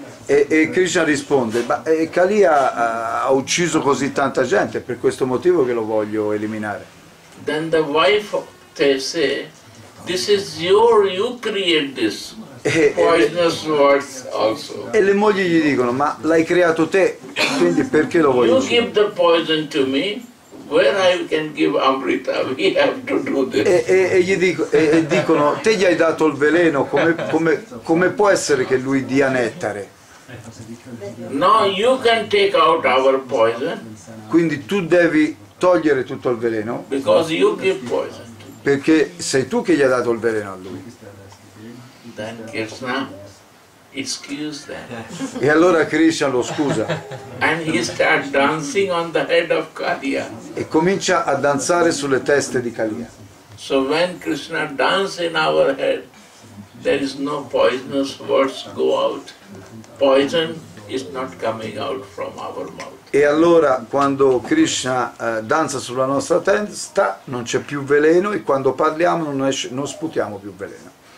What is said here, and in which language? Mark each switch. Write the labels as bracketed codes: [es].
[it] E Krishna risponde, ma Kalia ha ucciso così tanta gente, per questo motivo che lo voglio eliminare. [en] Then the wife they say, this is your, you create this poisonous words also. [it] E le mogli gli dicono, ma l'hai creato te, quindi perché lo vuoi [en] you [it] uccidere? [en] Give the poison to me. Where I can give Amrita, we have to do this. [it] E dicono, te gli hai dato il veleno, come può essere che lui dia nettare? [en] No, you can take out our poison. [it] Quindi tu devi togliere tutto il veleno. [en] Because you give poison. [it] Perché sei tu che gli hai dato il veleno a lui. [en] Then Krishna excuse them. [it] E allora Krishna lo scusa. [en] And he start dancing on the head of Kalia. [it] E comincia a danzare sulle teste di Kalia. [en] So when Krishna dance in our head, there is no poisonous words go out. Poison is not coming out from our mouth. [it] E allora quando Krishna danza sulla nostra testa non c'è più veleno e quando parliamo non sputiamo più veleno.